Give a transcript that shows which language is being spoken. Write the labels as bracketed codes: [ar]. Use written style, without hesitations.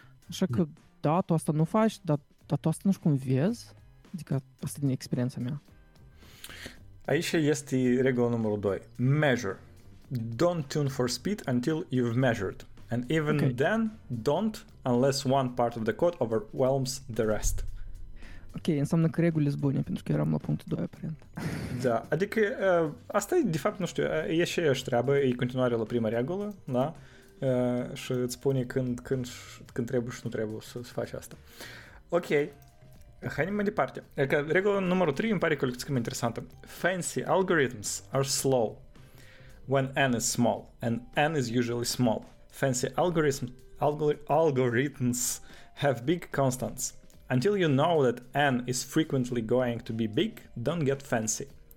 [ro] Așa că, da, tu asta nu faci, dar tu asta nu știu cum vezi, adică asta din experiența mea. Aici este regula numărul 2. [en] Measure. Don't tune for speed until you've measured. And even okay. Then, don't unless one part of the code overwhelms the rest. [ro] Ok, înseamnă că regulile sunt bune, pentru că eram la punctul 2, aparent. Da, adică asta e, de fapt, nu știu, e și aia treabă, e continuare la prima regulă, da? Și îți spune când trebuie și nu trebuie să faci asta. Ok, hai mai departe. Adică regula numărul 3 îmi pare că o lecție mai interesantă. [en] Fancy algorithms are slow when n is small, and n is usually small. Fancy algorithms have big constants. Until you know that n is frequently going to be big, don't get fancy.